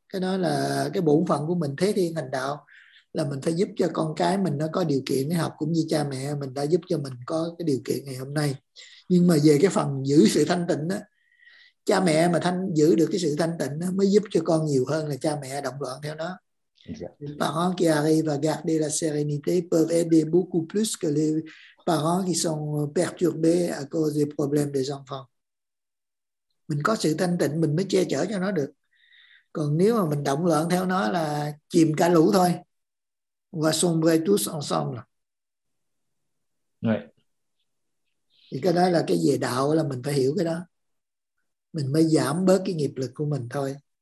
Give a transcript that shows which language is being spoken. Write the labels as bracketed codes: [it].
[vi] Cái đó là cái bổn phận của mình thế thiên hành đạo, là mình phải giúp cho con cái mình nó có điều kiện để học, cũng như cha mẹ mình đã giúp cho mình có cái điều kiện ngày hôm nay. Nhưng mà về cái phần giữ sự thanh tịnh á, cha mẹ mà giữ được cái sự thanh tịnh á, mới giúp cho con nhiều hơn là cha mẹ động loạn theo nó. [fr] Parents qui arrivent à garder la sérénité peuvent aider beaucoup plus que les parents qui sont perturbés à cause des problèmes des enfants. [vi] Mình có sự thanh tịnh mình mới che chở cho nó được. Còn nếu mà mình động loạn theo nó là chìm cả lũ thôi. [fr] Và sombrer tous ensemble. [en] Right. [vi] Thì cái đó là cái về đạo, là mình phải hiểu cái đó. Mình mới giảm bớt cái nghiệp lực của mình thôi.